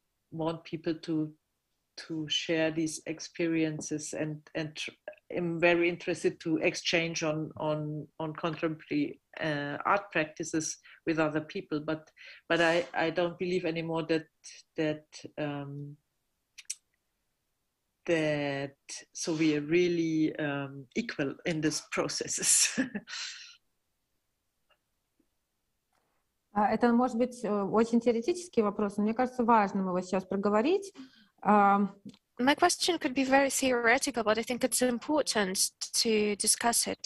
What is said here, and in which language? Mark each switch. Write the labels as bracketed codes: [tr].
[en] want people to share these experiences and I'm very interested to exchange on contemporary art practices with other people, but I don't believe anymore that we are really equal in these processes. [ru] Это может быть очень теоретический вопрос, но мне кажется важным его сейчас проговорить. [en] My question could be very theoretical, but I think it's important to discuss it.